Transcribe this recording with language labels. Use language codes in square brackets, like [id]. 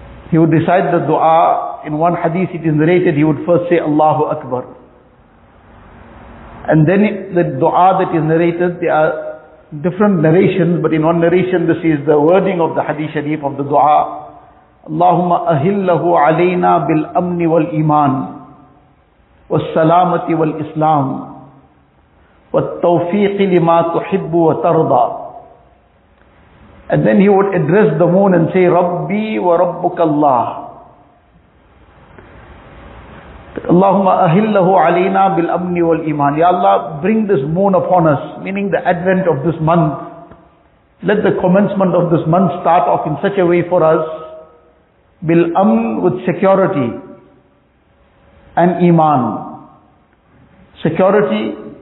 [en] He would recite the dua. In one hadith it is narrated, he would first say Allahu Akbar. And then the dua that is narrated, there are different narrations, but in one narration this is the wording of the hadith sharif of the dua. [ar] اللهم أهله علينا بالأمن والإيمان والسلامة والإسلام والتوفيق لما تحب وترضى. [en] And then he would address the moon and say, [ar] ربي وربك الله. اللهم أهله علينا بالأمن والإيمان. [en] Ya Allah, bring this moon upon us, meaning the advent of this month. Let the commencement of this month start off in such a way for us, bil amn, with security, and iman, security.